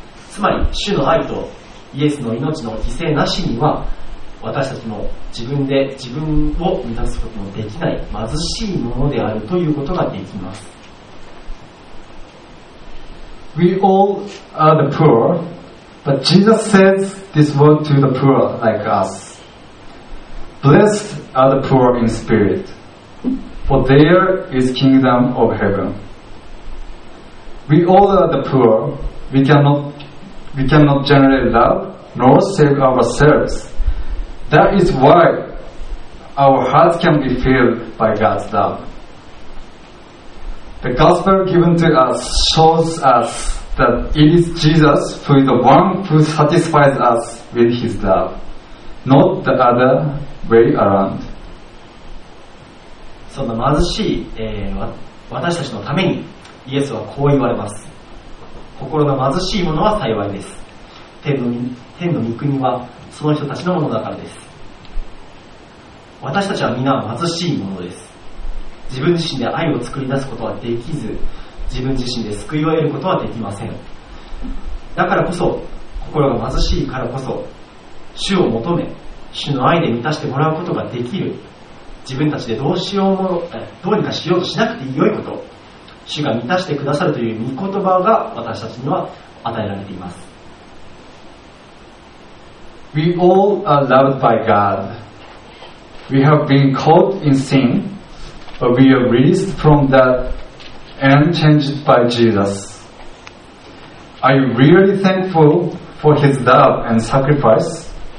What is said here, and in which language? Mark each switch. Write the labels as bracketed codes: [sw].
[ja] つまり主の愛とイエスの命の犠牲なしには、私たちも自分で自分を満たすことのできない貧しいものであるということができます。 [en] We all are the poor, but Jesus sends this word to the poor like us. Blessed are the poor in spirit, for there is kingdom of heaven. We all are the poor, we cannot generate love nor save ourselves. That is why our hearts can be filled by God's love. The gospel given to us shows us that it is Jesus who is the one who satisfies us with his love, not the other way around. [ja] そんな貧しい、私たちのためにイエスはこう言われます。心の貧しいものは幸いです。天の御国はその人たちのものだからです。私たちは皆貧しいものです。自分自身で愛を作り出すことはできず、自分自身で救いを得ることはできません。だからこそ、心が貧しいからこそ、主を求め、主の愛で満たしてもらうことができる、自分たちでどうにかしようとしなくて良いこと、主が満たしてくださるという御言葉が私たちには与えられています。 [en] We all are loved by GodWe have been caught in sin, but we are released from that and changed by Jesus. Are you really thankful for his love and sacrifice?